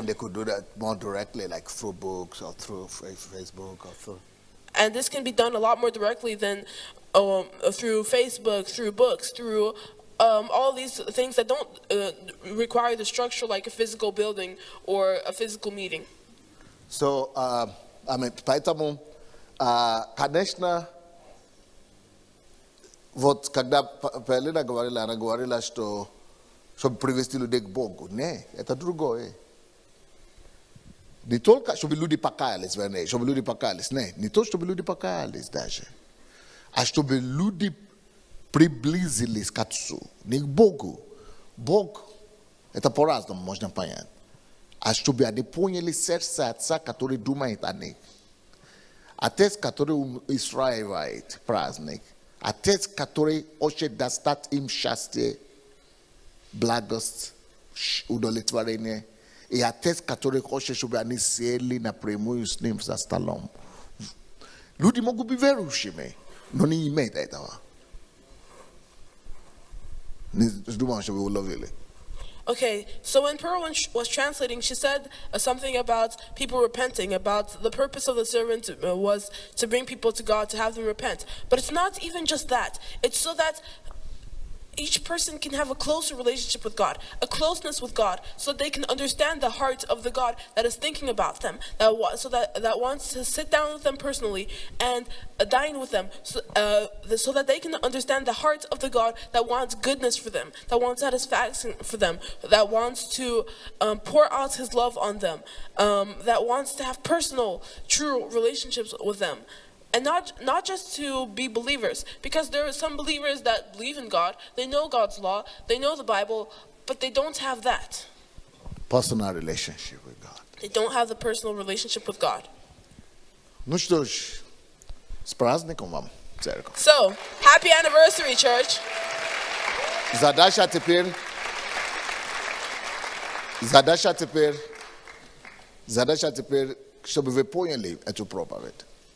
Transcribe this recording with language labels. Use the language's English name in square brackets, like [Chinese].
[English] And they could do that more directly, like through books or through Facebook or through... And this can be done a lot more directly than through Facebook, through books, through all these things that don't require the structure like a physical building or a physical meeting. So, I mean, [Russian] поэтому, конечно, вот когда Полина говорила, она говорила, что чтобы привести людей к Богу. Нет, это другое. Не только, чтобы люди покаялись, вернее, чтобы люди покаялись. Нет, не то, чтобы люди покаялись даже, а чтобы люди приблизились к Отцу, не к Богу. Бог, это по-разному можно понять. А чтобы они поняли сердце Отца, который думает о них. Отец, который устраивает праздник. Отец, который хочет достать им счастье, благость, удовлетворение. И отец, который хочет, чтобы они сели напрямую с ним за столом. Люди могут быть верующими, но не имеют этого. Не думаю, что вы уловили. [English] Okay, so when Pearl was translating, she said something about people repenting, about the purpose of the servant was to bring people to God, to have them repent. But it's not even just that. It's so that each person can have a closer relationship with God, a closeness with God, so that they can understand the heart of the God that is thinking about them, that wants to sit down with them personally and dine with them, so that they can understand the heart of the God that wants goodness for them, that wants satisfaction for them, that wants to pour out his love on them, that wants to have personal, true relationships with them. And not just to be believers, because there are some believers that believe in God, they know God's law, they know the Bible, but they don't have that. Personal relationship with God. They don't have the personal relationship with God. [Russian] Ну что ж, с праздником вам, церковь. [English] So, happy anniversary, church. [Russian] Задача теперь, чтобы вы поняли эту проповедь.